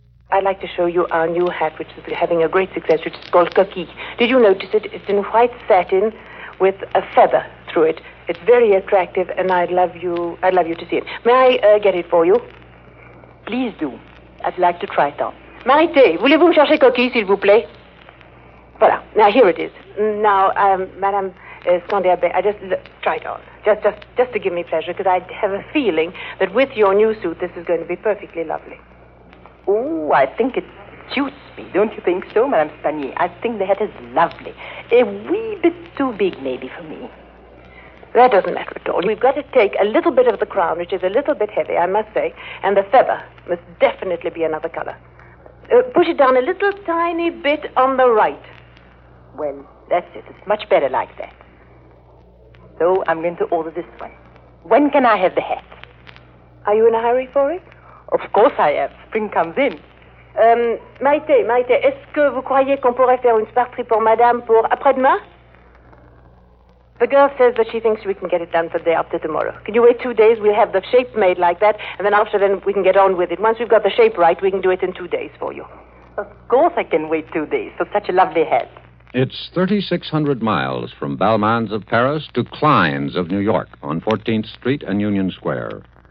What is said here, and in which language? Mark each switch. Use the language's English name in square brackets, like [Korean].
[English] I'd like to show you our new hat, which is having a great success, which is called Coquille. Did you notice it? It's in white satin with a feather through it. It's very attractive, and I'd love you to see it. May I get it for you? Please do. I'd like to try it on. [French] Marité, voulez-vous me chercher Coquille, s'il vous plaît? [English] Voilà. Now, here it is. Now, Madame Scandiabé, try it on. Just to give me pleasure, because I have a feeling that with your new suit, this is going to be perfectly lovely. Oh, I think it suits me. Don't you think so, Madame Spanier? I think the hat is lovely. A wee bit too big, maybe, for me. That doesn't matter at all. We've got to take a little bit of the crown, which is a little bit heavy, I must say, and the feather must definitely be another color. Push it down a little tiny bit on the right. Well, that's it. It's much better like that. So I'm going to order this one. When can I have the hat? Are you in a hurry for it? Of course I am. Spring comes in. [French] Maïté, est-ce que vous croyez qu'on pourrait faire une sparterie pour madame pour après-demain? [English] The girl says that she thinks we can get it done for the day after tomorrow. Can you wait 2 days? We'll have the shape made like that, and then after then we can get on with it. Once we've got the shape right, we can do it in 2 days for you. Of course I can wait 2 days for such a lovely hat. It's 3,600 miles from Balmain's of Paris to Klein's of New York on 14th Street and Union Square.